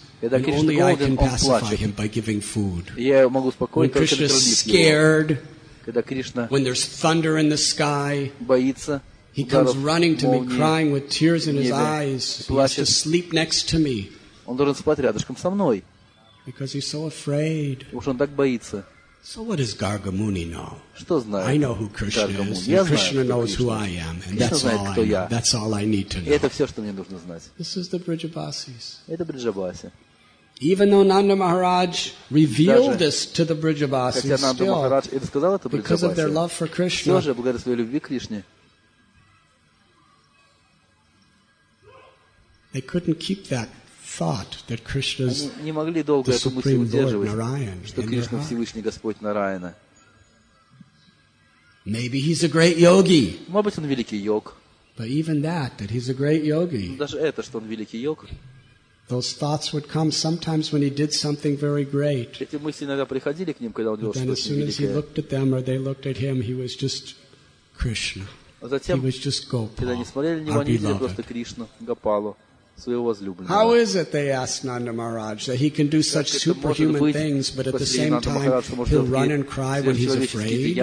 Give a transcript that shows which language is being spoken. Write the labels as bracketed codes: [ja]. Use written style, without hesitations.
[en] And only I can pacify him by giving food. When Krishna's scared, when there's thunder in the sky, he comes running to me, crying with tears in his eyes. He has to sleep next to me. [ru] Он должен спать рядышком со мной. [en] Because he's so afraid. [ru] Потому что он так боится. [en] So what does Garga Muni know? [ru] Что знает? [en] I know who Krishna is. And Krishna knows who I am, and that's all I know. That's all I need to know. [ru] Это все, что мне нужно знать. [en] This is the Brijabasis. [ru] Это Бриджабаси. [en] Even though Nanda Maharaj revealed this to the Brijabasis, [ru] хотя Нанда Махарадж это сказал это Бриджабаси. [en] Because of their love for Krishna. [ru] Все же благодаря своей любви к Кришне. [en] They couldn't keep that thought that Krishna's [ru] не могли долго эту мысль удерживать, что Кришна Всевышний Господь Нараяна. [en] Maybe he's a great yogi. [ru] Может быть, он великий йог. [en] But even that he's a great yogi. [ru] Даже это, что он великий йог. [en] Those thoughts would come sometimes when he did something very great. [ru] Эти мысли иногда приходили к ним, когда он делал что-то великое. [en] Then as soon as he looked at them or they looked at him, he was just Krishna. [ru] Затем, [en] he was just Gopal. [ru] Когда они смотрели на него, они видели просто Кришну, Гопалу, своего возлюбленного. [en] How is it, they asked Nanda Maharaj, that he can do such superhuman things, but at the same time he'll run and cry when he's afraid?